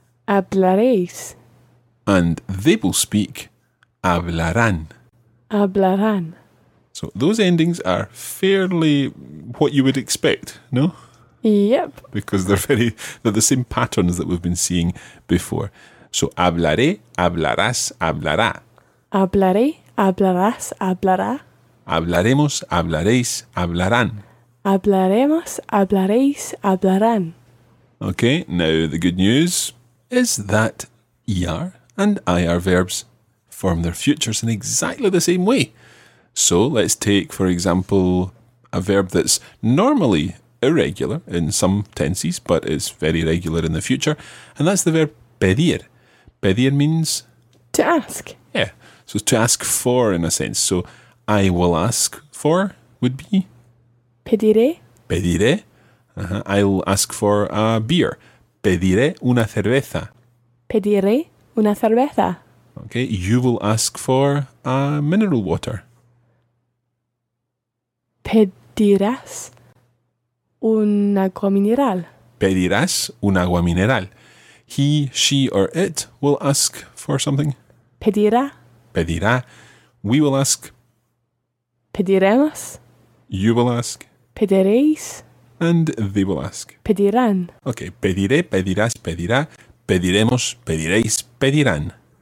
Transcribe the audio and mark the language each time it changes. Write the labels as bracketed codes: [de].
[es] Hablaréis. [en] And they will speak, [es] hablarán. Hablarán. [en] So those endings are fairly what you would expect, no? Yep. Because they're the same patterns that we've been seeing before. [es] So hablaré, hablarás, hablará. Hablaré, hablarás, hablará. Hablaremos, hablaréis, hablarán. Hablaremos, hablaréis, hablarán. [en] Okay, now the good news is that ER and IR verbs form their futures in exactly the same way. So let's take, for example, a verb that's normally irregular in some tenses, but is very regular in the future, and that's the verb pedir. Pedir means... to ask. Yeah, so to ask for, in a sense. So I will ask for would be... [es] pediré. Pediré. [en] I'll ask for a beer. [es] Pediré una cerveza. Pediré una cerveza. [en] Okay, you will ask for a mineral water. [es] Pedirás un agua mineral. Pedirás un agua mineral. [en] He, she, or it will ask for something. [es] Pedirá. Pedirá. [en] We will ask. [es] Pediremos. [en] You will ask. [es] Pediréis. [en] And they will ask. [es] Pedirán. Okay. Pediré, pedirás, pedirá. Pediremos, pediréis, pedirán.